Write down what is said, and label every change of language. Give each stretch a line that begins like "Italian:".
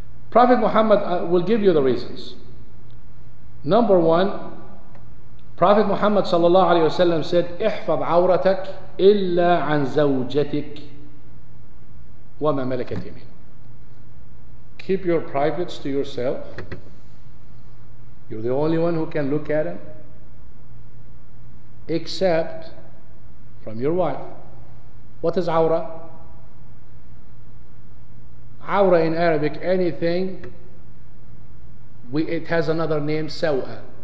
English: Prophet Muhammad will give you the reasons. Number one, Prophet Muhammad sallallahu alayhi wa sallam said,
Arabic: احفظ عورتك إلا عن زوجتك وما ملكت يمين.
English: Keep your privates to yourself. You're the only one who can look at them, except from your wife. What is awra? Awra in Arabic, anything, it has another name, sawa.